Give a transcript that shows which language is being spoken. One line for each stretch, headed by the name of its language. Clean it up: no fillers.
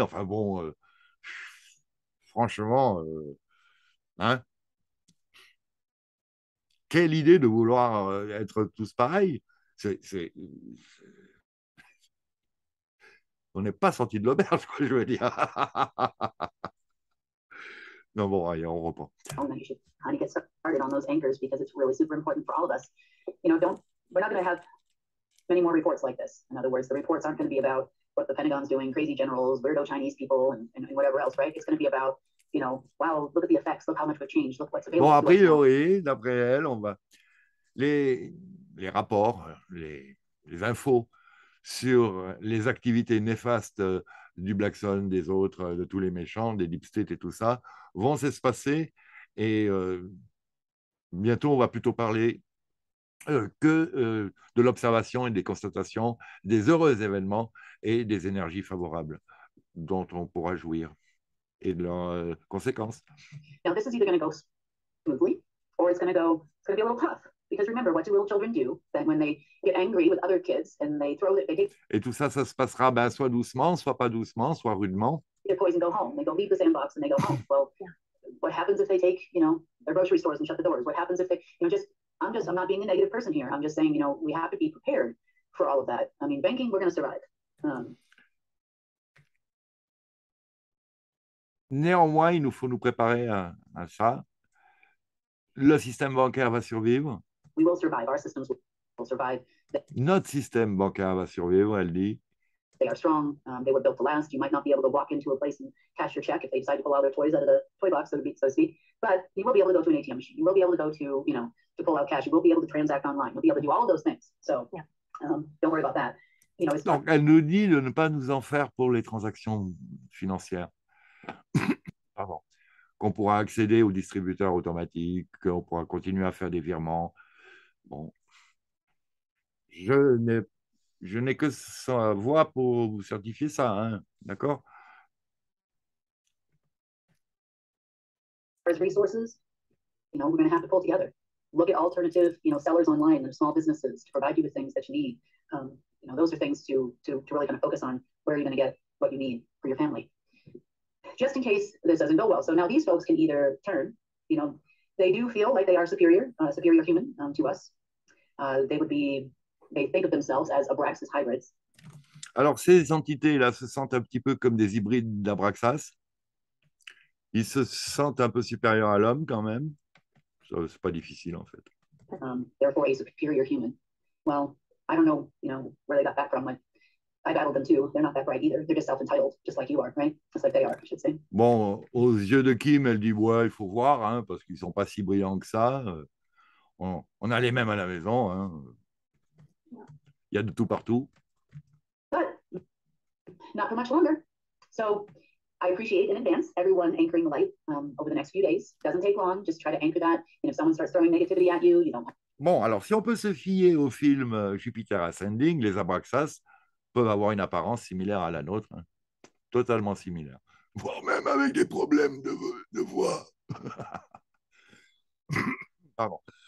French: Enfin bon, franchement, quelle idée de vouloir être tous pareils. On n'est pas sorti de l'auberge, quoi, je veux dire. Non, bon, allez, on reprend.
English: You should kind of get started on those anchors because it's really super important for all of us. You know, we're not going to have many more reports like this. In other words, the reports aren't going to be about what the Pentagon's doing, crazy generals, weirdo Chinese people, and whatever else, right? It's going to be about, you know, wow, look at the effects, look how much we've changed, look what's available.
French: Bon, a priori, d'après elle, on va... Les rapports, les infos sur les activités néfastes du Black Sun, des autres, de tous les méchants, des Deep State et tout ça, vont s'espacer et bientôt on va plutôt parler de l'observation et des constatations des heureux événements et des énergies favorables dont on pourra jouir et de leurs conséquences.
English: Now this is either going to go smoothly or it's going to be a little tough. Because remember, what do little children do then when they get angry with other kids and they throw it?
French: Et tout ça, ça se passera ben, soit doucement, soit pas doucement, soit rudement.
English: They get poisoned, go home. They go leave the sandbox and they go home. Well, what happens if they take, you know, their grocery stores and shut the doors? What happens if they, you know, I'm not being a negative person here. I'm just saying, you know, we have to be prepared for all of that. I mean, banking, we're going to survive.
French: Néanmoins, il nous faut nous préparer à ça. Le système bancaire va survivre.
English: We will survive. Our systems will survive.
French: Notre système bancaire va survivre, elle dit.
English: They are strong. They were built to last. You might not be able to walk into a place and cash your check if they decide to pull all their toys out of the toy box, so to speak. But you will be able to go to an ATM machine. You will be able to go to, you know, to pull out cash. You will be able to transact online. You'll be able to do all of those things. So don't worry about that. You know,
French: Donc, elle nous dit de ne pas nous en faire pour les transactions financières. Pardon. Qu'on pourra accéder aux distributeurs automatiques, qu'on pourra continuer à faire des virements. Bon, je n'ai que sa voix pour vous certifier ça, hein, d'accord?
English: As resources, you know, we're going to have to pull together. Look at alternative, you know, sellers online, their small businesses to provide you with things that you need. You know, those are things to really kind of focus on where you're going to get what you need for your family. Just in case this doesn't go well. So now these folks can either turn, you know, they do feel like they are superior, superior human to us. They think of themselves as Abraxas hybrids.
French: Alors, ces entités-là se sentent un petit peu comme des hybrides d'Abraxas. Ils se sentent un peu supérieurs à l'homme, quand même. Ce n'est pas difficile, en fait.
English: Therefore, a superior human. Well, I don't know, you know, where they got that from. I battled them, too. They're not that bright, either. They're just self-entitled, just like you are, right? Just like they are, I should say.
French: Bon, aux yeux de Kim, elle dit, ouais, il faut voir, hein, parce qu'ils ne sont pas si brillants que ça. On a les mêmes à la maison, hein. Il y a de tout partout.
English: But not for much longer. So I appreciate in advance everyone anchoring the light over the next few days. Doesn't take long. Just try to anchor that. And if someone starts throwing negativity at you, you don't.
French: Bon, alors si on peut se fier au film Jupiter Ascending, les Abraxas peuvent avoir une apparence similaire à la nôtre, hein. Totalement similaire. Voire même avec des problèmes de voix. Pardon.